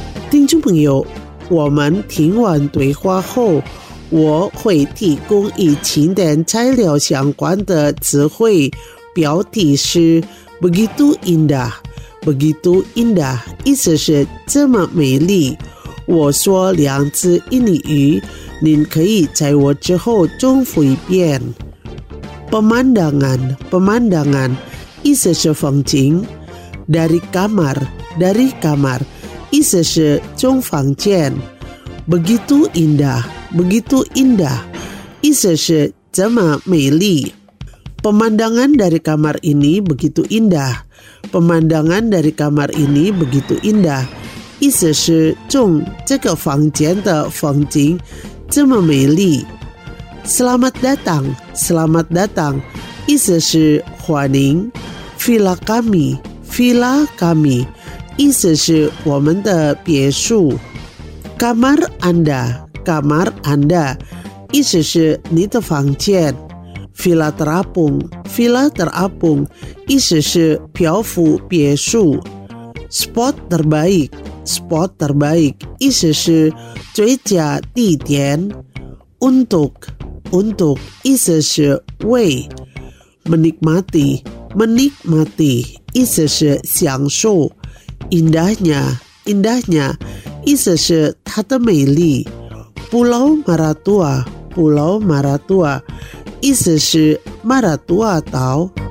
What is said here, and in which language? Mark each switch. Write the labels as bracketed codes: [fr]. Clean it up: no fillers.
[zh] 听众朋友，我们听完对话后，我会提供与景点材料相关的词汇，标题是 [id] Begitu indah。 Begitu indah [zh] 意思是这么美丽。我说两字印尼语，您可以在我之后重复一遍。 Pemandangan， Pemandangan 意思是风景。 [id] Dari kamar， Dari kamar [zh] 意思是从房间。 [id] Begitu indah， Begitu indah [zh] 意思是这么美丽。 [id] Pemandangan dari kamar ini begitu indah， Pemandangan dari kamar ini begitu indah [zh] 意思是从这个房间的风景这么美丽。 [id] Selamat datang， Selamat datang [zh] 意思是欢迎。 [id] Villa kami， Villa kami [zh] 意思是我们的别墅。 [id] Kamar anda， Kamar anda [zh] 意思是你的房间。 [id] Villa terapung， Villa terapung [zh] 意思是漂浮别墅。 [id] Spot terbaik， Spot terbaik [zh] 意思是最佳地点。 Untuk， Untuk 意思是为。 Menikmati， Menikmati 意思是享受。 Indahnya， Indahnya 意思是它的美丽。 [id] Pulau Maratua， Pulau Maratua [zh] 意思是 Maratua 岛。